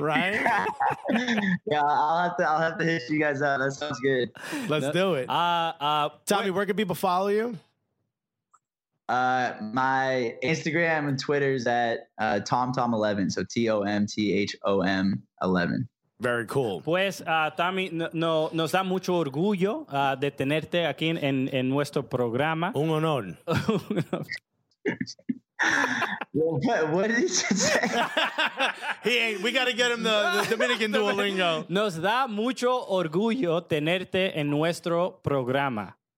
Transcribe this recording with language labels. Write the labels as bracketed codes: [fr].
[en] Right? Yeah, I'll have to hit you guys up. That sounds good. Let's do it. Tommy, where can people follow you? My Instagram and Twitter is at TomTom11. So TomTom11. Very cool. [es] Pues, Tommy, nos da mucho orgullo de tenerte aquí en nuestro programa. Un honor. [en] What did he say? We got to get him the Dominican Duolingo. [es] Nos da mucho orgullo tenerte en nuestro programa.